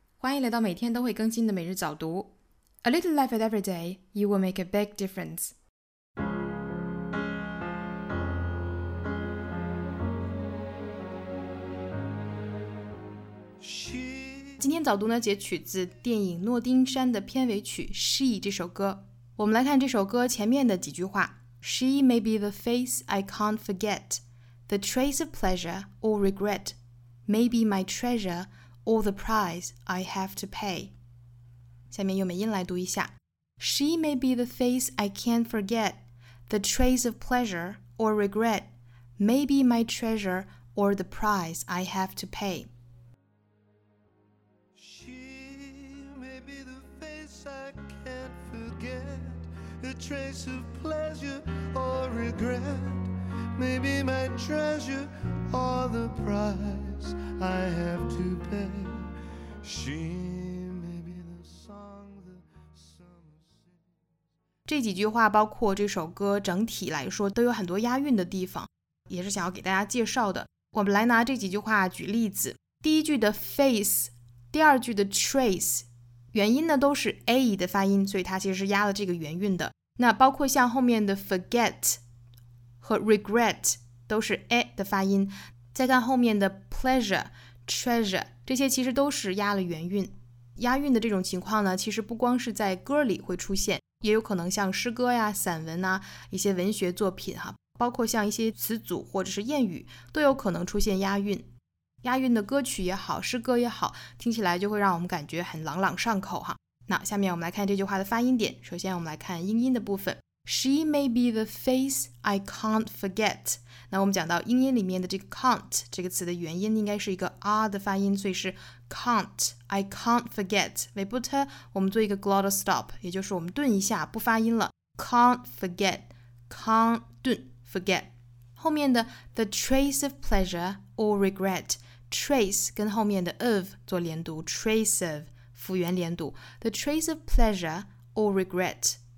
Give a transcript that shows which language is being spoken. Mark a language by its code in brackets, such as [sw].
[zh] 欢迎来到每天都会更新的每日早读。 [en] A little life at every day, you will make a big difference. She... [zh] 今天早读呢，截取自电影《诺丁山》的片尾曲《She》这首歌。我们来看这首歌前面的几句话。 [en] She may be the face I can't forget, the trace of pleasure or regret. Maybe my treasure or the price I have to pay. [zh] 下面用美音来读一下。 [en] She may be the face I can't forget, the trace of pleasure or regret. Maybe my treasure or the price I have to pay. She may be the face I can't forget, the trace of pleasure or regret. Maybe my treasure or the price. I have to pay. She may be the song the summer sings. [zh] 这几句话包括这首歌整体来说都有很多押韵的地方，也是想要给大家介绍的。我们来拿这几句话举例子。第一句的 face， 第二句的 trace， 元音呢都是 a 的发音，所以它其实是押了这个元韵的。那包括像后面的 forget 和 regret 都是 a 的发音。再看后面的 pleasure, treasure, 这些其实都是押了元韵。押韵的这种情况呢，其实不光是在歌里会出现，也有可能像诗歌呀、散文啊，一些文学作品哈，包括像一些词组或者是谚语，都有可能出现押韵。押韵的歌曲也好，诗歌也好，听起来就会让我们感觉很朗朗上口哈。那下面我们来看这句话的发音点。首先我们来看英音的部分。 [en] She may be the face I can't forget. [zh] 那我们讲到英音里面的这个 can't 这个词的元音应该是一个 R 的发音，所以是 can't, [en] I can't forget. [zh] 尾部 t 我们做一个 glottal stop， 也就是我们顿一下不发音了。 [en] Can't forget, can't 顿 forget. [zh] 后面的 [en] the trace of pleasure or regret, trace [zh] 跟后面的 [en] of [zh] 做连读， [en] trace of [zh] 复原连读， [en] the trace of pleasure or regret.